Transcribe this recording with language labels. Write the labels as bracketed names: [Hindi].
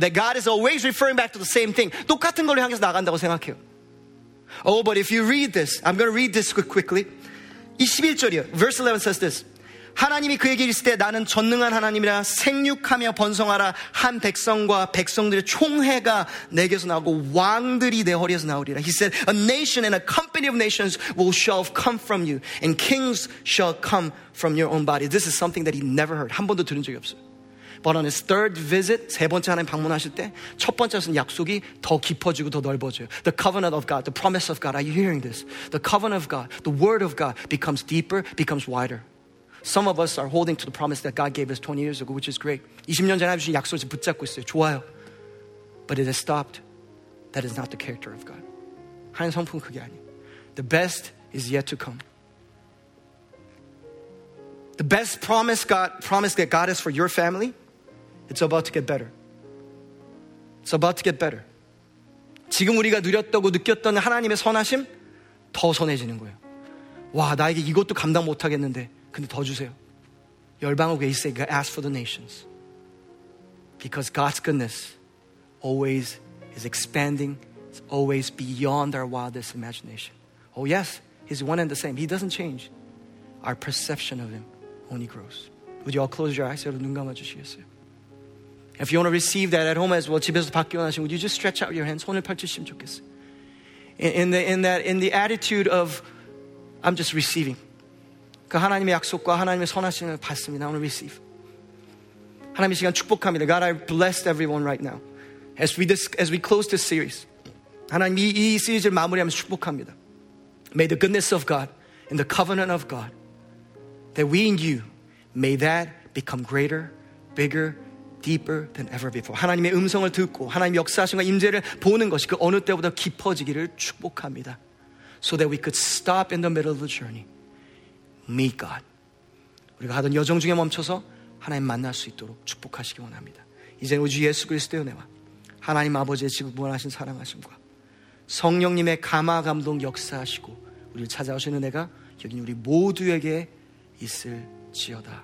[English] That God is always referring back to the same thing. [Korean] 똑같은 걸 향해서 나간다고 생각해요. [English] Oh, but if you read this, I'm going to read this quickly. [Korean] 21절이요. [English] Verse 11 says this. [Korean] 하나님이 그에게 이르실 때 나는 전능한 하나님이라 생육하며 번성하라 한 백성과 백성들의 총회가 내게서 나오고 왕들이 내 허리에서 나오리라. [English] He said a nation and a company of nations will shall come from you and kings shall come from your own body. This is something that he never heard. [Korean] 한 번도 들은 적이 없어요. [English] But on his third visit, [Korean] 세 번째 하나님 방문하실 때 첫 번째는 약속이 더 깊어지고 더 넓어져요. [English] The covenant of God, the promise of God. Are you hearing this? The covenant of God, the word of God becomes deeper, becomes wider. Some of us are holding to the promise that God gave us 20 years ago, which is great. [Korean] 20년 전에 하신 약속을 붙잡고 있어요. 좋아요. [English] But it has stopped. That is not the character of God. [Korean] 하나님의 성품은 그게 아니에요. [English] The best is yet to come. The best promise, God, promise that God has for your family, it's about to get better. It's about to get better. [Korean] 지금 우리가 누렸다고 느꼈던 하나님의 선하심, 더 선해지는 거예요. 와, 나에게 이것도 감당 못하겠는데. 근데 더 주세요. 열방국에 있으니까 [English] ask for the nations. Because God's goodness always is expanding. It's always beyond our wildest imagination. Oh yes, he's one and the same. He doesn't change. Our perception of him only grows. Would you all close your eyes? [Korean] 여러분 눈 감아주시겠어요? [English] If you want to receive that at home as well, [Korean] 집에서 받기 원하시면, [English] would you just stretch out your hands? [Korean] 손을 펼치시면 좋겠어요. [English] In the attitude of, I'm just receiving. [Korean] 그 하나님의 약속과 하나님의 선하심을 받습니다. [English] I want to receive. [Korean] 하나님의 시간 축복합니다. [English] God, I blessed everyone right now. As we close this series, [Korean] 하나님 이 시리즈를 마무리하면 축복합니다. [English] May the goodness of God and the covenant of God that we in you, may that become greater, bigger, deeper than ever before. [Korean] 하나님의 음성을 듣고 하나님의 역사하심과 임재를 보는 것이 그 어느 때보다 깊어지기를 축복합니다. [English] So that we could stop in the middle of the journey. Meet God. [Korean] 우리가 하던 여정 중에 멈춰서 하나님 만날 수 있도록 축복하시기 원합니다. 이제 우리 예수 그리스도의 은혜와 하나님 아버지의 지극히 무한하신 사랑하심과 성령님의 감화 감동 역사하시고 우리를 찾아오시는 은혜가 여긴 우리 모두에게 있을지어다.